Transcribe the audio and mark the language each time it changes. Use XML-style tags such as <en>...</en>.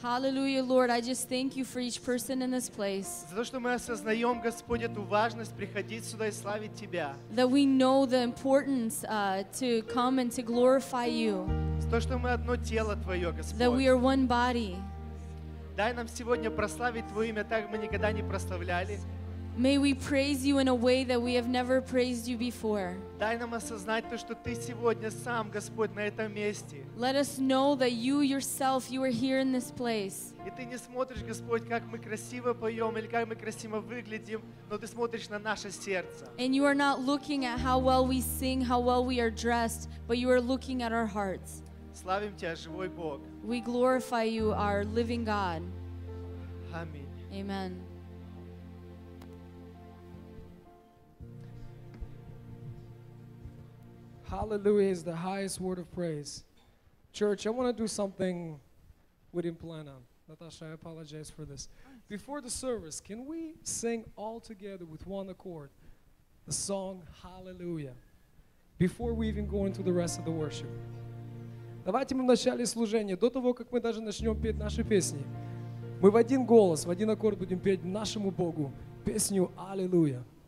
<en>Hallelujah, Lord, I just thank you for each person in this place.</en> <ru>За то, что мы осознаем, Господь, эту важность приходить сюда и славить тебя.</ru> <en>That we know the importance to come and to glorify you.</en> <ru>За то, что мы одно тело твое, Господь.</ru> <en>That we are one body.</en> <ru>Дай нам сегодня прославить Твое имя так, как мы никогда не прославляли.</ru> <en>May we praise you in a way that we have never praised you before.</en> <ru>Дай нам осознать то, что Ты сегодня сам, Господь, на этом месте.</ru> <en>Let us know that you yourself, you are here in this place.</en> <ru>И Ты не смотришь, Господь, как мы красиво поем или как мы красиво выглядим, но Ты смотришь на наше сердце.</ru> <en>And you are not looking at how well we sing, how well we are dressed, but you are looking at our hearts.</en> <ru>Славим тебя, живой Бог.</ru> <en>We glorify you, our living God. Amen. Amen. Hallelujah is the highest word of praise. Church, I want to do something we didn't plan on. Natasha, I apologize for this. Before the service, can we sing all together with one accord the song Hallelujah before we even go into the rest of the worship?</en> <ru>Давайте мы в начале служения, до того, как мы даже начнем петь наши песни, мы в один голос, в один аккорд будем петь нашему Богу песню Аллилуйя.</ru>